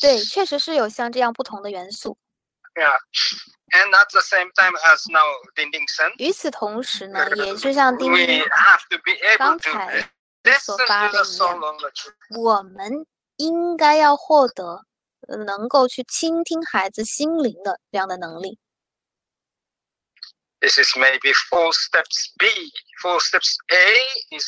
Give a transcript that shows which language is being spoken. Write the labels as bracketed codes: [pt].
[zh] 对，确实是有像这样不同的元素。 [en] Yeah, and at the same time as now, Ding Ding said. [zh] 与此同时呢，也就像丁丁刚才所发的一样，我们应该要获得能够去倾听孩子心灵的这样的能力。 [en] This is maybe four steps B. Four steps A is